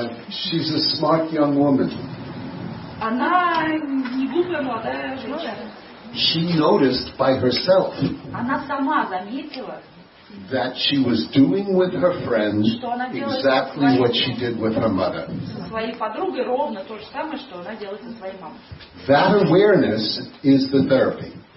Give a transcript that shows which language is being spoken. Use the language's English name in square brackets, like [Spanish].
[English] She's a smart young woman. [Russian] Она не глупая молодая женщина. [English] She noticed by herself that she was doing with her friend exactly what she did with her mother. That awareness is the therapy.